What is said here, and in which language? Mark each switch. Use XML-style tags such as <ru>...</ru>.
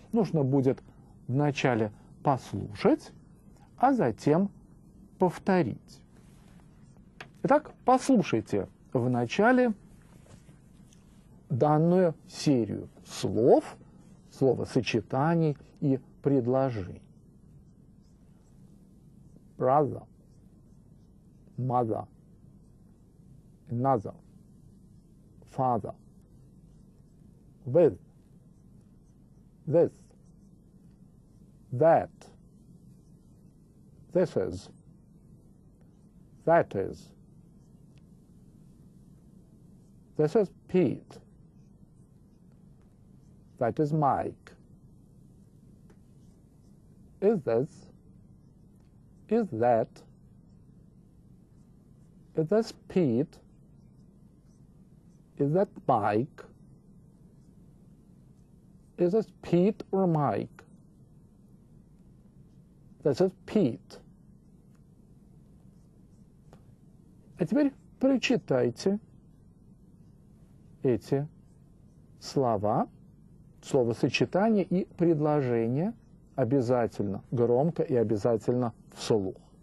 <ru>Нужно будет вначале послушать, а затем повторить. Итак, послушайте вначале данную серию слов, словосочетаний и предложений.</ru> <en>Brother, mother, another, father, with, this, that, this is, that is, this is Pete, that is Mike, is this, is that, is this Pete, is that Mike, is this Pete or Mike, this is Pete.</en> <ru>А теперь прочитайте эти слова, словосочетания и предложения обязательно громко и обязательно вслух.</ru>